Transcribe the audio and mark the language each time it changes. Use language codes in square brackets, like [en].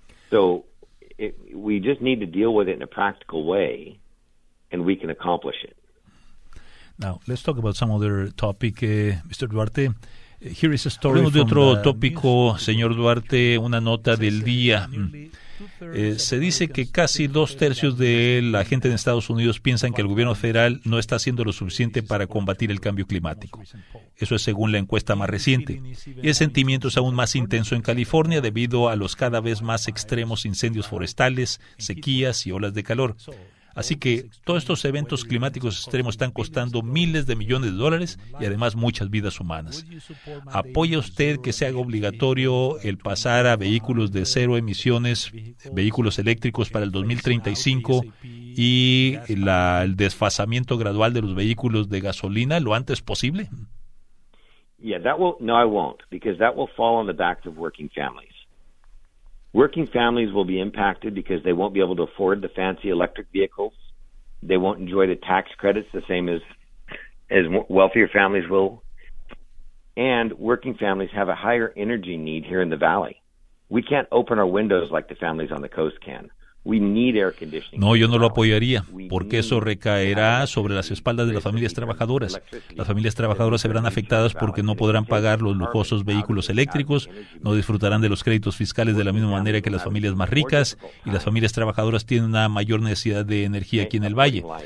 [en] So we just need to deal with it in a practical way, and we can accomplish it. Now, let's talk about some other topic, Mr. Duarte. Here is a story. [es] Hablamos de otro tópico, señor Duarte, una nota del día. Se dice que casi dos tercios de la gente en Estados Unidos piensan que el gobierno federal no está haciendo lo suficiente para combatir el cambio climático. Eso es según la encuesta más reciente. Y el sentimiento es aún más intenso en California debido a los cada vez más extremos incendios forestales, sequías y olas de calor. Así que todos estos eventos climáticos extremos están costando miles de millones de dólares y además muchas vidas humanas. ¿Apoya usted que se haga obligatorio el pasar a vehículos de cero emisiones, vehículos eléctricos para el 2035 y el desfasamiento gradual de los vehículos de gasolina lo antes posible? [en] No, I won't, because that will fall on the backs of working families. Working families will be impacted because they won't be able to afford the fancy electric vehicles. They won't enjoy the tax credits the same as wealthier families will. And working families have a higher energy need here in the valley. We can't open our windows like the families on the coast can. We need air conditioning. [es] No, yo no lo apoyaría, porque eso recaerá sobre las espaldas de las familias trabajadoras. Las familias trabajadoras se verán afectadas porque no podrán pagar los lujosos vehículos eléctricos, no disfrutarán de los créditos fiscales de la misma manera que las familias más ricas, y las familias trabajadoras tienen una mayor necesidad de energía aquí en el valle.